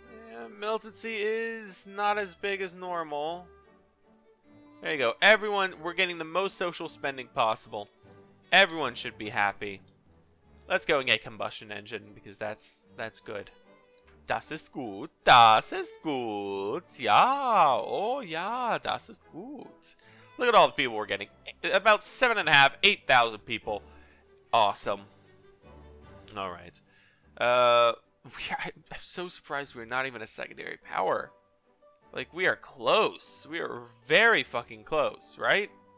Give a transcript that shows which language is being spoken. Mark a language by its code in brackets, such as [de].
[en] Yeah, militancy is not as big as normal. There you go. Everyone, we're getting the most social spending possible. Everyone should be happy. Let's go and get combustion engine, because that's good. [de] Das ist gut, das ist gut, ja, oh ja, das ist gut. [en] Look at all the people we're getting. About 7,500 people. Awesome. Alright. I'm so surprised we're not even a secondary power. Like, we are close. We are very fucking close, right?